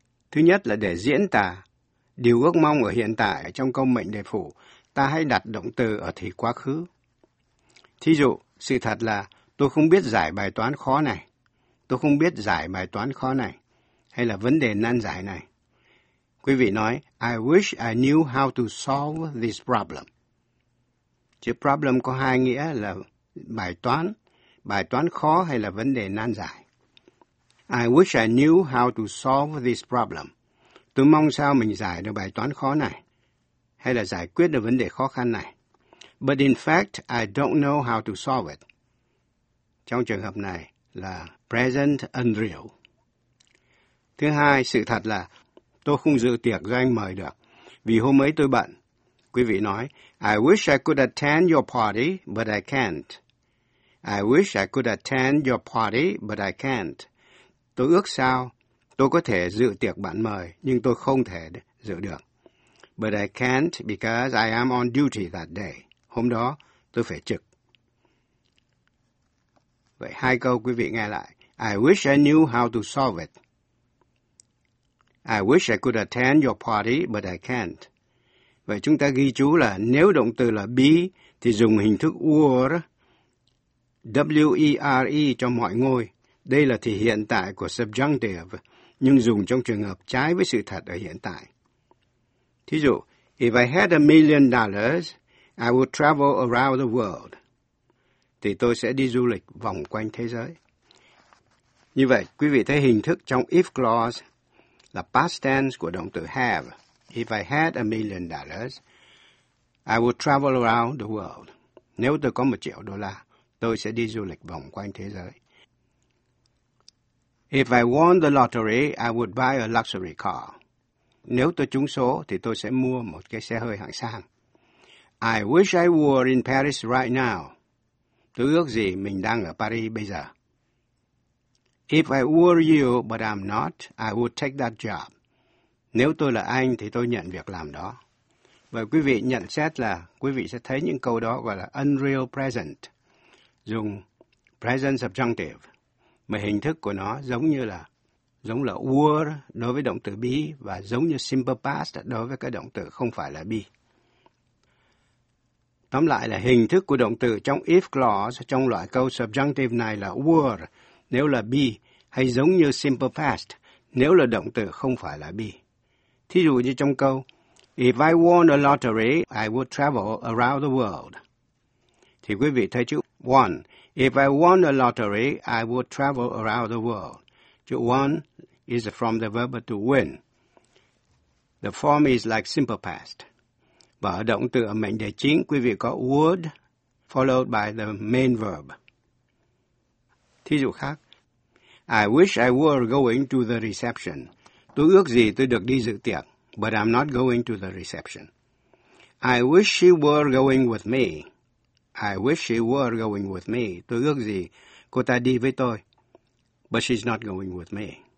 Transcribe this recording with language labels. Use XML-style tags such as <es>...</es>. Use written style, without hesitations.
<vi>Thứ nhất là để diễn tả điều ước mong ở hiện tại trong câu mệnh đề phụ, ta hãy đặt động từ ở thì quá khứ. Thí dụ, sự thật là tôi không biết giải bài toán khó này. Tôi không biết giải bài toán khó này, hay là vấn đề nan giải này. Quý vị nói,</vi> <en>I wish I knew how to solve this problem.</en> <vi>Chữ problem có hai nghĩa là bài toán khó hay là vấn đề nan giải.</vi> <en>I wish I knew how to solve this problem.</en> <vi>Tôi mong sao mình giải được bài toán khó này, hay là giải quyết được vấn đề khó khăn này.</vi> <en>But in fact, I don't know how to solve it.</en> <vi>Trong trường hợp này là present unreal. Thứ hai, sự thật là tôi không dự tiệc do anh mời được, vì hôm ấy tôi bận. Quý vị nói,</vi> <en>I wish I could attend your party, but I can't. I wish I could attend your party, but I can't.</en> <vi>Tôi ước sao tôi có thể dự tiệc bạn mời, nhưng tôi không thể dự được.</vi> <en>But I can't because I am on duty that day.</en> <vi>Hôm đó, tôi phải trực. Vậy hai câu quý vị nghe lại.</vi> <en>I wish I knew how to solve it. I wish I could attend your party, but I can't.</en> <vi>Vậy chúng ta ghi chú là nếu động từ là be, thì dùng hình thức were, W-E-R-E cho mọi ngôi. Đây là thì hiện tại của subjunctive, nhưng dùng trong trường hợp trái với sự thật ở hiện tại. Thí dụ,</vi> <en>if I had $1,000,000, I would travel around the world.</en> <vi>Thì tôi sẽ đi du lịch vòng quanh thế giới. Như vậy, quý vị thấy hình thức trong if clause là past tense của động từ have.</vi> <en>If I had $1,000,000, I would travel around the world.</en> <vi>Nếu tôi có $1,000,000, tôi sẽ đi du lịch vòng quanh thế giới.</vi> <en>If I won the lottery, I would buy a luxury car.</en> <vi>Nếu tôi trúng số, thì tôi sẽ mua một cái xe hơi hạng sang.</vi> <en>I wish I were in Paris right now.</en> <vi>Tôi ước gì mình đang ở Paris bây giờ.</vi> <en>If I were you, but I'm not, I would take that job.</en> <vi>Nếu tôi là anh, thì tôi nhận việc làm đó. Vậy quý vị nhận xét là, quý vị sẽ thấy những câu đó gọi là unreal present. Dùng present subjunctive. Mà hình thức của nó giống là were đối với động từ be, và giống như simple past đối với cái động từ không phải là be. Tóm lại là hình thức của động từ trong if clause trong loại câu subjunctive này là were nếu là be, hay giống như simple past nếu là động từ không phải là be. Thí dụ như trong câu,</vi> <en>if I won a lottery, I would travel around the world.</en> <vi>Thì quý vị thấy chữ won.</vi> <en>If I won a lottery, I would travel around the world. Chữ won is from the verb to win. The form is like simple past.</en> <vi>Và ở động từ ở mệnh đề chính, quý vị có</vi> <en>would followed by the main verb.</en> <vi>Thí dụ khác.</vi> <en>I wish I were going to the reception.</en> <vi>Tôi ước gì tôi được đi dự tiệc,</vi> <en>but I'm not going to the reception. I wish she were going with me. I wish she were going with me.</en> <vi>Tôi ước gì cô ta đi với tôi,</vi> <en>but she's not going with me.</en>